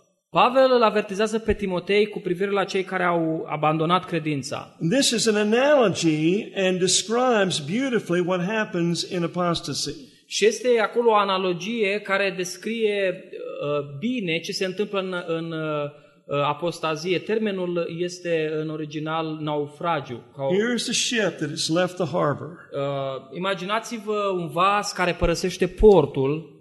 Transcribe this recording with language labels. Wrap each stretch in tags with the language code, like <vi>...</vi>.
<ro>Pavel îl avertizează pe Timotei cu privire la cei care au abandonat credința.</ro> <en>This is an analogy and describes beautifully what happens in apostasy.</en> <ro>Și este acolo o analogie care descrie bine ce se întâmplă în apostazie. Termenul este în original naufragiu.</ro> <en>Here's the ship that has left the harbor.</en> <ro>Imaginați-vă un vas care părăsește portul.</ro>